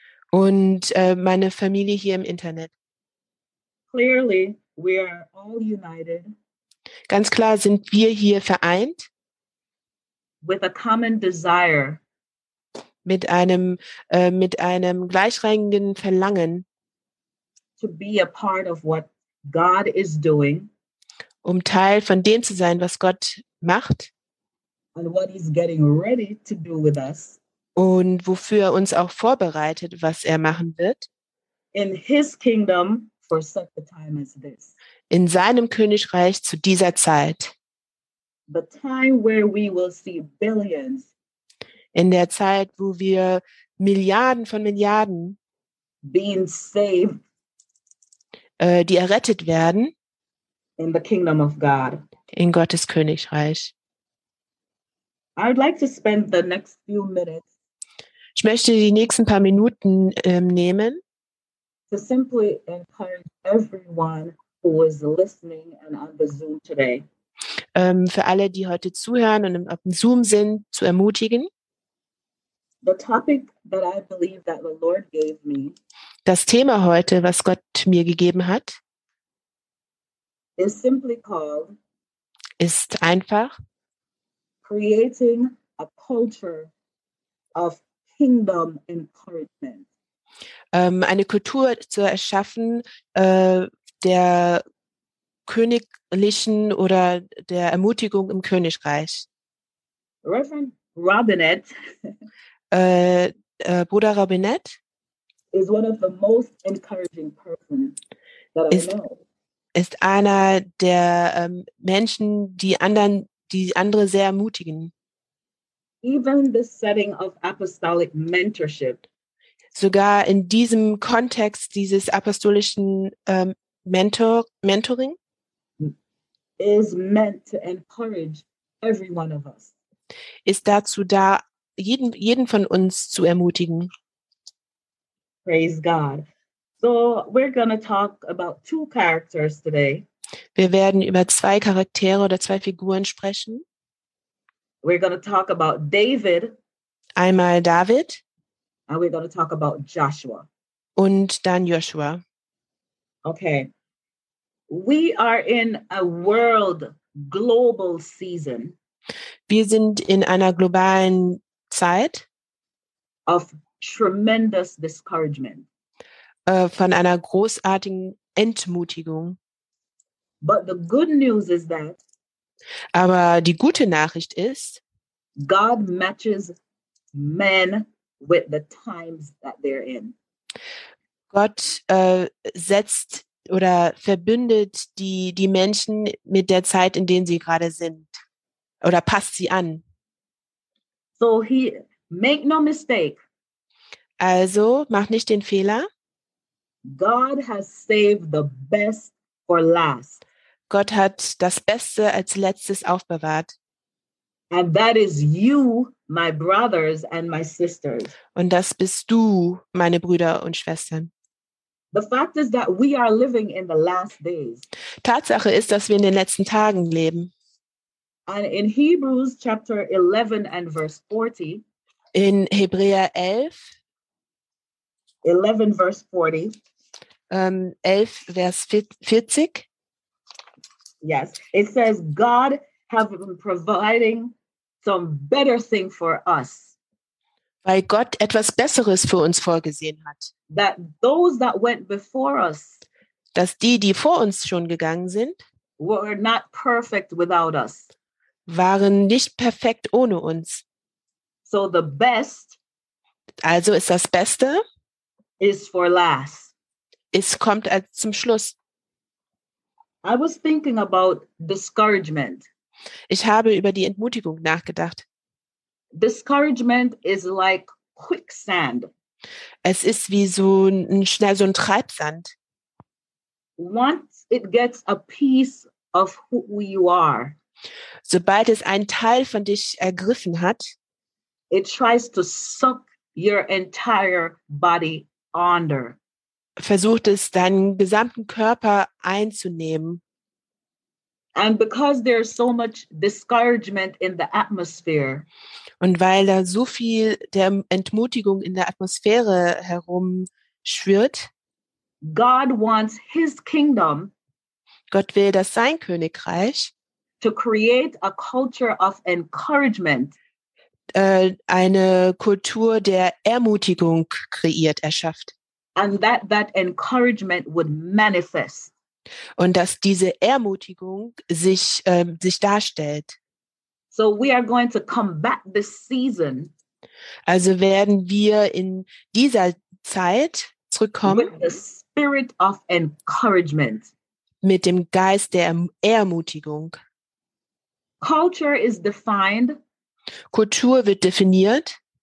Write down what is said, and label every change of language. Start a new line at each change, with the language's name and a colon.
German: und meine Familie hier im Internet.
English: Clearly, we are all united.
German: Ganz klar sind wir hier vereint.
English: With a common desire.
German: Mit einem gleichrangigen Verlangen.
English: To be a part of what God is doing.
German: Um Teil von dem zu sein, was Gott macht.
English: And what he's getting ready to do with us.
German: Und wofür er uns auch vorbereitet, was er machen wird.
English: In his kingdom for such a time as this.
German: In seinem Königreich zu dieser Zeit.
English: The time where we will see billions.
German: In der Zeit, wo wir Milliarden
English: being saved.
German: Die errettet werden.
English: In the kingdom of God.
German: In Gottes Königreich.
English: I would like to spend the next few minutes.
German: Ich möchte die nächsten paar Minuten nehmen,
English: to simply encourage everyone who is listening and on the Zoom today.
German: Für alle, die heute zuhören und auf dem Zoom sind, zu ermutigen.
English: The topic that I believe that the Lord gave me,
German: das Thema heute, was Gott mir gegeben hat,
English: is simply called,
German: ist einfach
English: creating a culture of Kingdom encouragement.
German: Eine Kultur zu erschaffen der königlichen oder der Ermutigung im Königreich.
English: Reverend Robinette.
German: Bruder Robinette
English: is one of the most encouraging person that I know.
German: Ist einer der Menschen, die andere sehr ermutigen.
English: Even the setting of apostolic mentorship.
German: sogar in diesem Kontext dieses apostolischen Mentoring
English: is meant to encourage every one of us.
German: Ist dazu da, jeden von uns zu ermutigen.
English: Praise God. So we're going to talk about two characters today.
German: Wir werden über zwei Charaktere oder zwei Figuren sprechen.
English: We're going to talk about David.
German: Einmal David.
English: And we're going to talk about Joshua.
German: Und dann Joshua.
English: Okay. We are in a world global season.
German: Wir sind in einer globalen Zeit.
English: Of tremendous discouragement.
German: Von einer großartigen Entmutigung.
English: But the good news is that.
German: Aber die gute Nachricht ist.
English: God matches men with the times that they're in.
German: Gott setzt oder verbündet die Menschen mit der Zeit, in denen sie gerade sind, oder passt sie an.
English: So he make no mistake.
German: Also mach nicht den Fehler.
English: God has saved the best for last.
German: Gott hat das Beste als Letztes aufbewahrt.
English: And that is you, my brothers and my sisters.
German: Und das bist du, meine Brüder und Schwestern.
English: The fact is that we are living in the last days.
German: Tatsache ist, dass wir in den letzten Tagen leben.
English: And in Hebrews chapter 11 and verse 40.
German: In Hebräer 11.
English: 11 verse 40.
German: 11 vers 40.
English: Yes, it says God have been providing some better thing for us.
German: Weil Gott etwas Besseres für uns vorgesehen hat.
English: That those that went before us,
German: dass die vor uns schon gegangen sind,
English: were not perfect without us.
German: Waren nicht perfekt ohne uns.
English: So the best,
German: also ist das Beste,
English: is for last.
German: Es kommt als zum Schluss.
English: I was thinking about discouragement.
German: Ich habe über die Entmutigung nachgedacht.
English: Discouragement is like quicksand.
German: Es ist wie so ein Treibsand.
English: Once it gets a piece of who you are,
German: sobald es einen Teil von dich ergriffen hat,
English: it tries to suck your entire body under.
German: Versucht es, deinen gesamten Körper einzunehmen.
English: And because there is so much discouragement in the atmosphere,
German: und weil da so viel der Entmutigung in der Atmosphäre herumschwirrt,
English: God wants his kingdom,
German: Gott will, dass sein Königreich,
English: to create a culture of encouragement,
German: eine Kultur der Ermutigung kreiert, erschafft.
English: And that encouragement would manifest.
German: Und dass diese Ermutigung sich darstellt.
English: So we are going to combat this season.
German: Also werden wir in dieser Zeit zurückkommen.
English: With the spirit of encouragement.
German: Mit dem Geist der Ermutigung.
English: Culture is defined.
German: Kultur wird definiert.